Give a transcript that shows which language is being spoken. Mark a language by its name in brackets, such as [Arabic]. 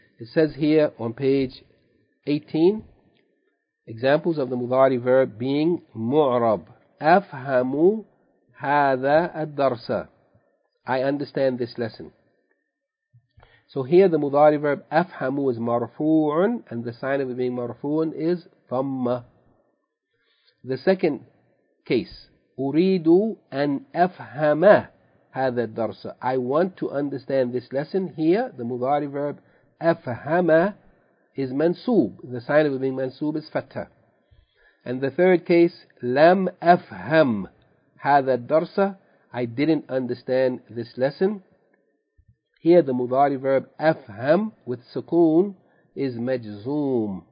[English] It says here on page 18, examples of the مضارع verb being معرب. [Arabic] أفهم هذا الدرس. [English] I understand this lesson. So here the مضارع verb أفهم is مرفوع, and the sign of it being مرفوع is ضم. The second case, [Arabic] أريد أن أفهم هذا الدرس. [English] I want to understand this lesson. Here the مضارع verb أفهم is منصوب. The sign of it being منصوب is فتح. And the third case, [Arabic] لم أفهم هذا الدرس. [English] I didn't understand this lesson. Here the مضارع verb أفهم with سكون is مجزوم.